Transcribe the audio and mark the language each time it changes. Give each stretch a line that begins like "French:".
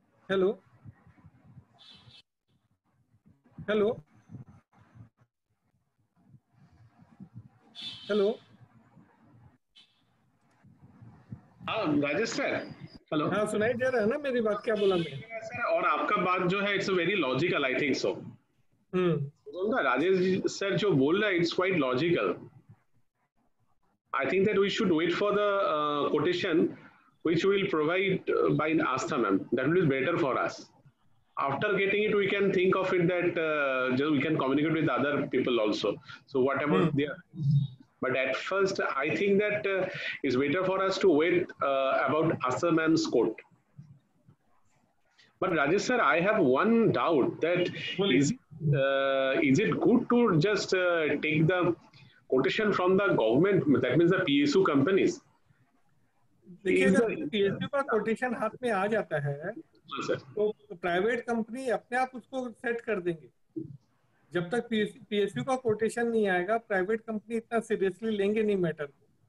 Hindi: Hello hello hello हाँ Rajesh sir, hello, हाँ सुनाई दे रहा है ना मेरी बात, क्या बोला मैं? और आपका बात जो है
English: It's very logical, I think so.
Hindi: Rajesh sir जो बोल रहा है
English: It's quite logical. I think that we should wait for the quotation which we will provide by Astha ma'am, that will be better for us. After getting it, we can think of it that we can communicate with other people also. So whatever they are. But at first, I think that it's better for us to wait about Astha ma'am's quote. But Rajesh sir, I have one doubt that is it good to just take the quotation from the government, that means the PSU companies?
Hindi: देखिए अगर PSU का quotation हाथ में आ जाता है तो private company अपने आप उसको सेट कर देंगे। जब तक पीएसयू का कोटेशन नहीं आएगा प्राइवेट कंपनी इतना सीरियसली लेंगे नहीं मैटर को।